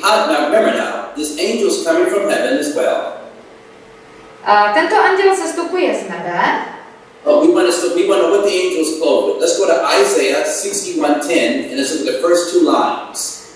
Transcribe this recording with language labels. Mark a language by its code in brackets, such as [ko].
[en] Now remember now, this angel is coming from heaven as well. [cs] Tento anděl se stupuje z nebe. [en] Oh, we want to know what the angel is clothed with. Let's go to Isaiah 61:10 and let's look at the first two lines.